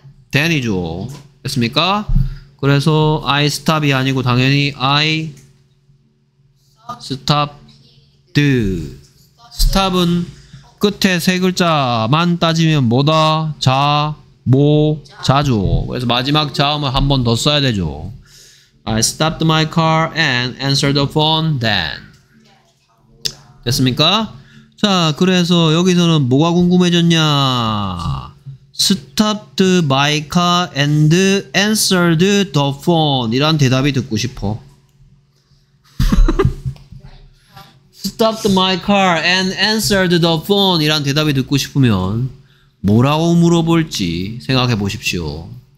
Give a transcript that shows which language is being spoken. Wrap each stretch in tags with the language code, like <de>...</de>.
<ko>then이죠. 됐습니까? 그래서</ko> <en>I stop</en> <ko>이 아니고 당연히</ko> <en>I stopped.</en> <ko>stop은 끝에 세 글자만 따지면 뭐다? 자, 모, 자죠. 그래서 마지막 자음을 한 번 더 써야 되죠.</ko> <en>I stopped my car and answered the phone then.</en> <ko>됐습니까? 자, 그래서 여기서는 뭐가 궁금해졌냐?</ko> <en>stopped my car and answered the phone</en> <ko>이란 대답이 듣고 싶어.</ko> <en>stopped my car and answered the phone</en> <ko>이란 대답이 듣고 싶으면 뭐라고 물어볼지 생각해 보십시오.</ko>